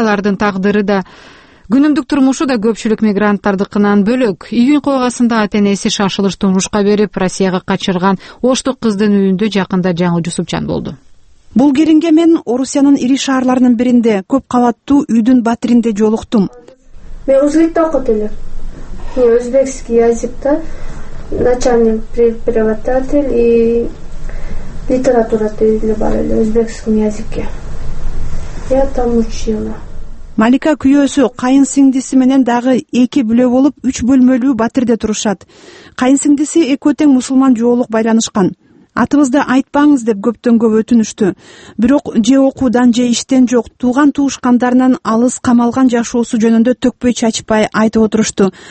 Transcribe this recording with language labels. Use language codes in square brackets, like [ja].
[ky] Алардын тагдыры да, күнүмдүк турмушу да көпчүлүк мигранттардыкынан бөлөк. Июнь коогасында ата энеси шашылыш турмушка берип Россияга качырган оштук кыздын үйүндө жакында жаңы жусупчан болду. Бул келинге мен Орусиянын ири шаарларынын биринде көп кабаттуу үйдүн батиринде жолуктум. Мен узбекте окуп элем. [ru] Узбекский язык да начальный преподаватель и литература [ky] тилинде бар эле [ru] узбекский языке. Я там учила. [ky] Малика күйөөсү кайын сиңдиси менен дагы эки бүлө болуп 3 бөлмөлүү батирде турушат. Кайын сиңдиси экөө тең мусулман жоолук байланышкан. Атыбызды айтпаңыз деп көптөн көп өтүнүштү. Бирок же окуудан же иштен жок, тууган туушкандарынан алыс камалган жашоосу жөнүндө төкпөй чачпай айтып отурушту.